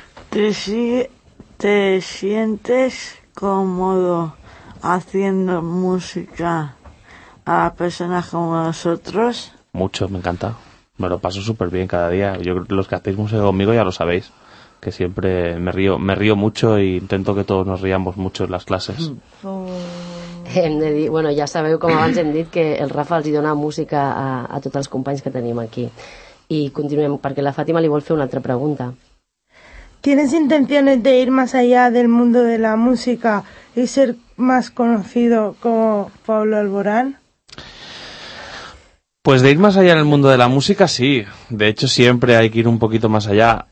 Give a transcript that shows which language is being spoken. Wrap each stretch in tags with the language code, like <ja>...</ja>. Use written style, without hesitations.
<es>¿Te sientes cómodo haciendo música a personas como nosotros? Mucho, me encanta. Me lo paso súper bien cada día. Yo, los que hacéis música conmigo ya lo sabéis, que siempre me río mucho e intento que todos nos riamos mucho en las clases.</es> <ca>Hem de dir, bueno, ja sabeu, com abans hem dit, que el Rafa els hi dona música a tots els companys que tenim aquí. I continuem, perquè la Fàtima li vol fer una altra pregunta.</ca> <es>¿Tienes intenciones de ir más allá del mundo de la música y ser más conocido como Pablo Alborán? Pues de ir más allá en el mundo de la música, sí. De hecho, siempre hay que ir un poquito más allá.</es>